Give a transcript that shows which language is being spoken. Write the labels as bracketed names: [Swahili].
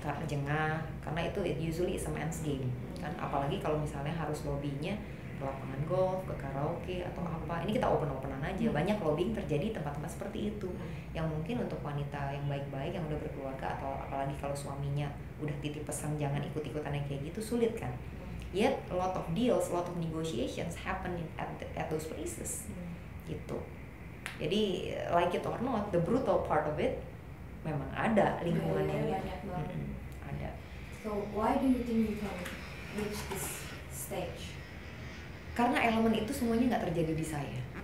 [Indonesian] Jengah, karena itu [English] usually it's a man's game. [Indonesian] Kan apalagi kalau misalnya harus lobbynya ke lapangan golf, ke karaoke atau apa. Ini kita open-openan aja. Banyak lobbying terjadi tempat-tempat seperti itu. Yang mungkin untuk wanita yang baik-baik yang udah berkeluarga atau apalagi kalau suaminya udah titip pesan jangan ikut-ikutan yang kayak gitu, sulit kan. [English] Yet a lot of deals, a lot of negotiations happen at those places. Gitu. Jadi like it or not, the brutal part of it [Indonesian] memang ada lingkungan yang ada. [English] So why do you think you can reach this stage? [Indonesian] Karena elemen itu semuanya nggak terjadi di saya.